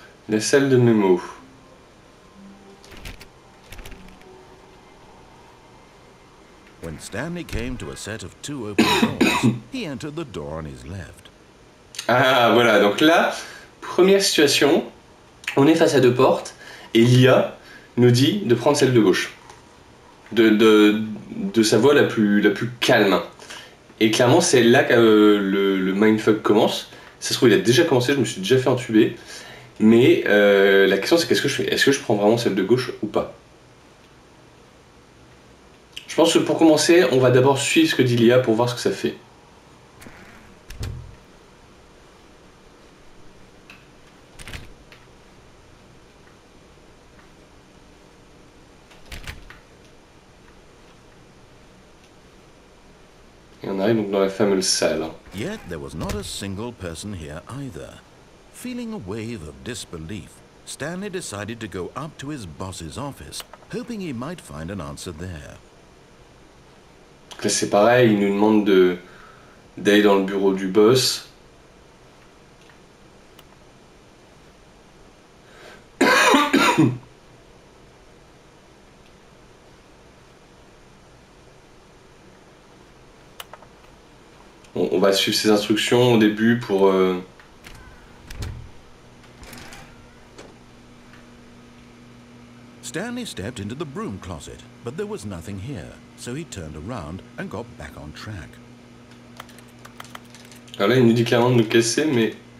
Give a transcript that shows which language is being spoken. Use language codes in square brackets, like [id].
[fr] La salle de mémo. [en] When Stanley came to a set of two open doors, he entered the door on his left. [fr] Ah, voilà, donc là, première situation, on est face à deux portes, et l'IA nous dit de prendre celle de gauche, de sa voix la plus calme. Et clairement, c'est là que le mindfuck commence. Ça se trouve, il a déjà commencé, je me suis déjà fait entuber. Mais la question, c'est qu'est-ce que je fais? Est-ce que je prends vraiment celle de gauche ou pas? Je pense que pour commencer, on va d'abord suivre ce que dit l'IA pour voir ce que ça fait. Et on arrive donc dans la fameuse salle. [en] Yet there was not a single person here either. Feeling a wave of disbelief, Stanley decided to go up to his boss's office, hoping he might find an answer there. [fr] Donc là, c'est pareil, il nous demande d'aller dans le bureau du boss. On va suivre ses instructions au début pour... [en] Stanley stepped into the broom closet, but there was nothing here, so he turned around and got back on track. [fr] Alors là, il nous dit clairement de nous casser, mais...